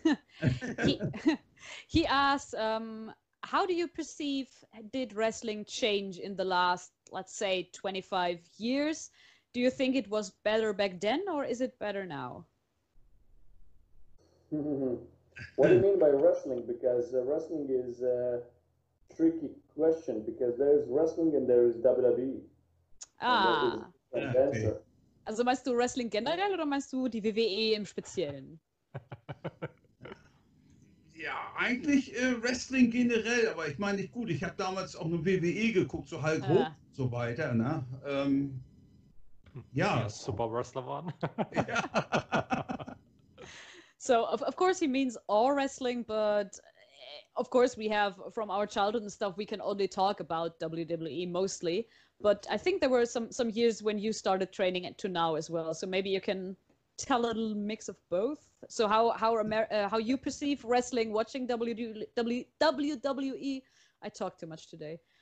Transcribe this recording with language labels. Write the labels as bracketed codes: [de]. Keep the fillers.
[en] he, he, asks, um, how do you perceive, did wrestling change in the last, let's say, 25 years? Do you think it was better back then or is it better now? [de] Was [en] do you [de] bei [en] wrestling? [de] weil [en] wrestling is a tricky question weil there is wrestling [de] und [en] there is WWE. Ah. Is okay. [de] Also meinst du Wrestling generell oder meinst du die WWE im Speziellen? ja, eigentlich äh, Wrestling generell, aber ich meine nicht gut. Ich habe damals auch eine WWE geguckt, so Hulk Hogan ah. und so weiter. Ne? Um, ja. ja. Super Wrestler waren. [en] so of, of course he means all wrestling but of course we have from our childhood and stuff we can only talk about wwe mostly but i think there were some some years when you started training it to now as well so maybe you can tell a little mix of both so how how Amer uh, how you perceive wrestling watching wwe i talk too much today